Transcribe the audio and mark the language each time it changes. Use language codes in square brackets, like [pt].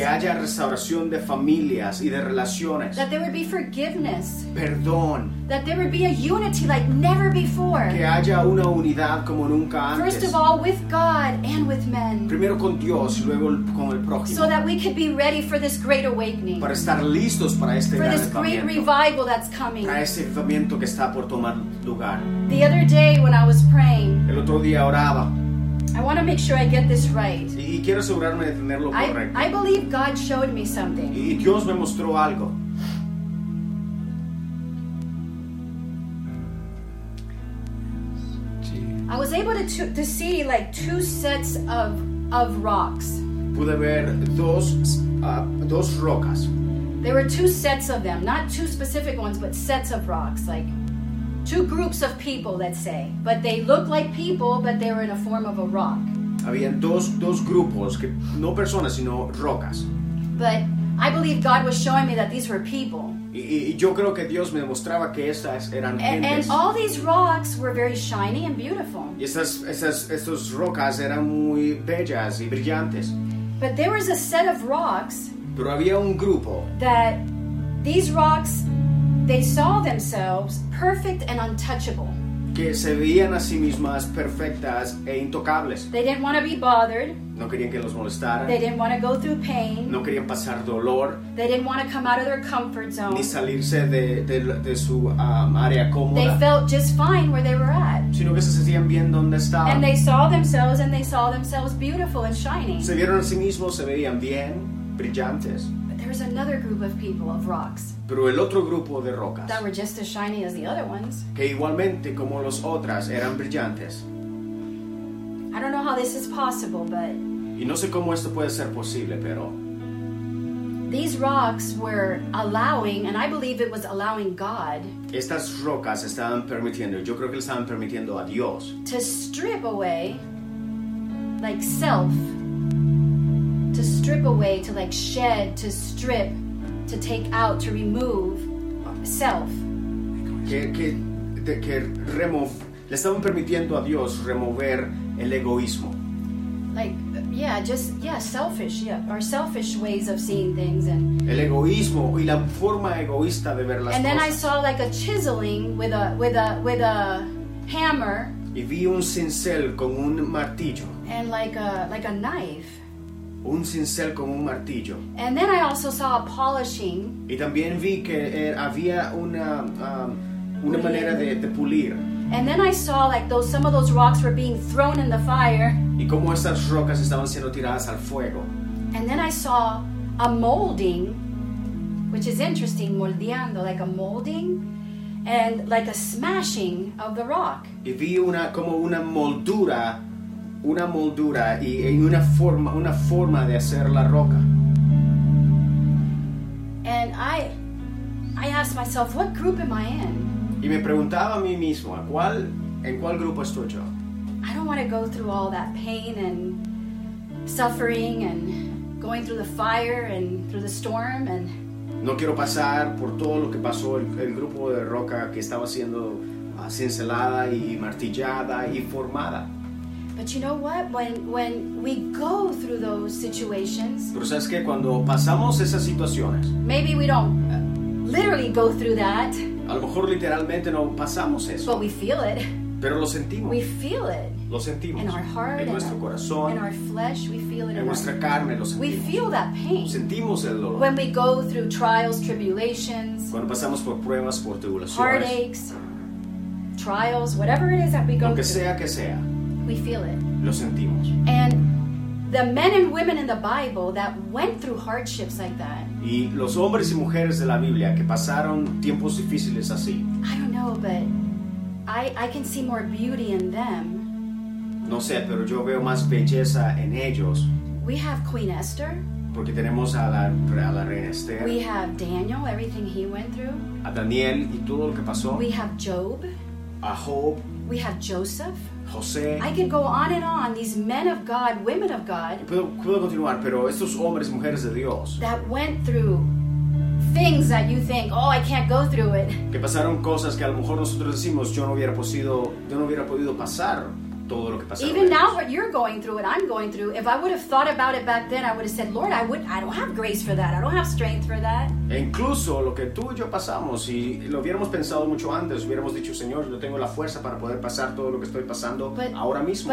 [es] Que haya restauración de familias y de relaciones. [en] That there would be forgiveness. [es] Perdón. [en] That there would be a unity like never before. [es] Que haya una unidad como nunca antes. [en] First of all, with God and with men. [es] Primero con Dios y luego con el prójimo. [en] So that we could be ready for this great awakening. [es] Para estar listos para este gran [en] this great revival that's coming. [es] Para este avivamiento que está por tomar lugar. [en] The other day when I was praying. [es] El otro día oraba. [en] I want to make sure I get this right. [es] Y quiero asegurarme de tenerlo correcto. [en] I believe God showed me something. [es] Y Dios me mostró algo. [en] I was able to see like two sets of rocks. [es] Pude ver dos rocas. [en] There were two sets of them, not two specific ones, but sets of rocks, like two groups of people, let's say. But they looked like people, but they were in a form of a rock. [es] Habían dos grupos, que, no personas, sino rocas. [en] But I believe God was showing me that these were people. [es] Y yo creo que Dios me demostraba que estas eran gentes. [en] And all these rocks were very shiny and beautiful. [es] Y estas rocas eran muy bellas y brillantes. [en] But there was a set of rocks. [es] Pero había un grupo. [en] That these rocks, they saw themselves perfect and untouchable. [es] Que se veían a sí mismas perfectas e intocables. [en] They didn't want to be bothered. [es] No querían que los molestaran. [en] They didn't want to go through pain. [es] No querían pasar dolor. [en] They didn't want to come out of their comfort zone. [es] Ni salirse de su área cómoda. [en] They felt just fine where they were at. [es] Sino que se sentían bien donde estaban. [en] And they saw themselves and they saw themselves beautiful and shining. [es] Se vieron a sí mismos, se veían bien, brillantes. [en] But there was another group of people of rocks. [es] Pero el otro grupo de rocas. [en] That were just as shiny as the other ones. [es] Que igualmente como los otras eran brillantes. [en] I don't know how this is possible, but [es] y no sé cómo esto puede ser posible, pero [en] these rocks were allowing, and I believe it was allowing God. [es] Estas rocas estaban permitiendo, yo creo que le estaban permitiendo a Dios [en] to strip away like self, to strip away, to like shed, to strip, to take out, to remove self. [es] Que [en] remove, [es] le estaban permitiendo a Dios remover el egoísmo. [en] Like, yeah, just, yeah, selfish, yeah, our selfish ways of seeing things. And [es] el egoísmo y la forma egoísta de ver las cosas. [en] And then I saw like a chiseling with a hammer. [es] Y vi un cincel con un martillo. [en] And like a knife. [es] Un cincel con un martillo. [en] And then I also saw a polishing. [es] Y también vi que había una manera de pulir. [en] And then I saw like those some of those rocks were being thrown in the fire. [es] Y como esas rocas estaban siendo tiradas al fuego. [en] And then I saw a molding, which is interesting, [es] moldeando, [en] like a molding, and like a smashing of the rock. [es] Y vi una como una moldura y una forma de hacer la roca. [en] And I asked myself, what group am I in? [es] Y me preguntaba a mí mismo, ¿en cuál grupo estoy yo? [en] I don't want to go through all that pain and suffering and going through the fire and through the storm and [es] no quiero pasar por todo lo que pasó el grupo de roca que estaba siendo cincelada y martillada y formada. [en] But you know what? When we go through those situations, [es] pero sabes que cuando pasamos esas situaciones, [en] maybe we don't literally go through that. [es] A lo mejor literalmente no pasamos eso. [en] But we feel it. [es] Pero lo sentimos. [en] We feel it. [es] Lo sentimos. [en] In our heart, [es] en nuestro corazón. [en] In our flesh, we feel it. [es] En nuestra carne lo sentimos. [en] We feel that pain. [es] Sentimos el dolor. [en] When we go through trials, tribulations. [es] Cuando pasamos por pruebas, por tribulaciones. [en] Heartaches, trials, whatever it is that we go through. [es] Lo que sea que sea. [en] We feel it. [es] Lo sentimos. [en] And the men and women in the Bible that went through hardships like that. [es] Y los hombres y mujeres de la Biblia que pasaron tiempos difíciles así. [en] I don't know, but I can see more beauty in them. [es] No sé, pero yo veo más belleza en ellos. [en] We have Queen Esther. [es] Porque tenemos a la Reina Esther. [en] We have Daniel, everything he went through. [es] A Daniel y todo lo que pasó. [en] We have Job. [es] A Job. [en] We have Joseph. [es] José. [en] I can go on and on. These men of God, women of God. [es] Puedo continuar, pero estos hombres, mujeres de Dios. [en] That went through things that you think, oh, I can't go through it. [es] Que pasaron cosas que a lo mejor nosotros decimos, yo no hubiera podido pasar todo lo que pasó. [en] Even now, what you're going through, what I'm going through, if I would have thought about it back then, I would have said, Lord, I don't have grace for that. I don't have strength for that. [es] E incluso lo que tú y yo pasamos, si lo hubiéramos pensado mucho antes, hubiéramos dicho, Señor, yo tengo la fuerza para poder pasar todo lo que estoy pasando ahora mismo.